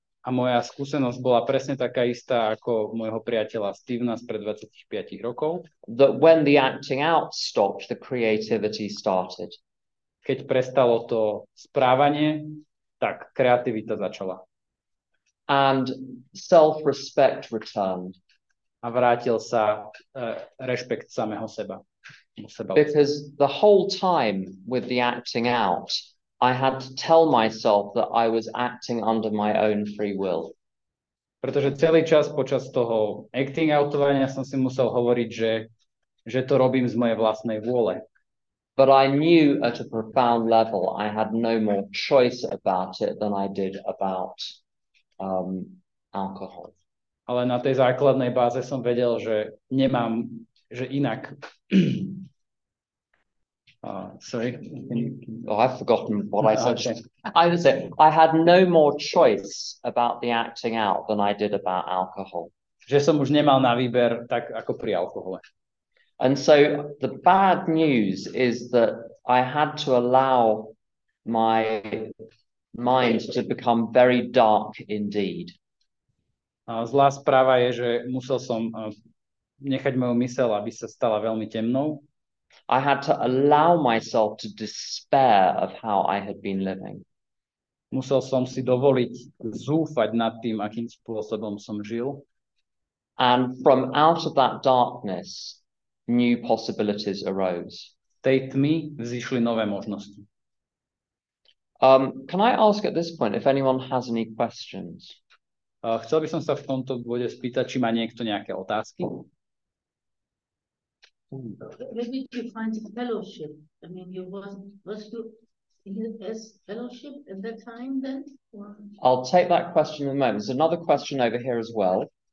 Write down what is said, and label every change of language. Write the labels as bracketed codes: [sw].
[sk] A moja skúsenosť bola presne taká istá ako môjho priateľa Stevena spred 25 rokov. [en] That when the acting out stopped, the creativity started. [sk] Keď prestalo to správanie, tak kreativita začala. [en] And self-respect returned. [sk] A vrátil sa rešpekt samého seba. [en] Because the whole time with the acting out, I had to tell myself that I was acting under my own free will. [sk] Pretože celý čas počas toho acting outovania som si musel hovoriť, že to robím z mojej vlastnej vôle. [en] But I knew at a profound level I had no more choice about it than I did about alcohol. [sk] Ale na tej základnej báze som vedel, že nemám, že inak. [en] I've forgotten what I said. Okay. I would say I had no more choice about the acting out than I did about alcohol. [sk] Že som už nemal na výber tak ako pri alkohole. [en] And so the bad news is that I had to allow my mind to become very dark indeed. [sk] Zlá správa je, že musel som nechať moju myseľ, aby sa stala veľmi temnou. [en] I had to allow myself to despair of how I had been living. [sk] Musel som si dovoliť zúfať nad tým, akým spôsobom som žil. [en] And from out of that darkness, new possibilities arose. [sk] Tej tmy vzýšli nové možnosti. [en] Can I ask at this point if anyone has any questions? [sk] Chcel by som sa v tomto bode spýtať, či má niekto nejaké otázky. [en] Where did you find the fellowship? I mean, you was you in the best fellowship at that time then? Or? I'll take that question in a moment. There's another question over here as well.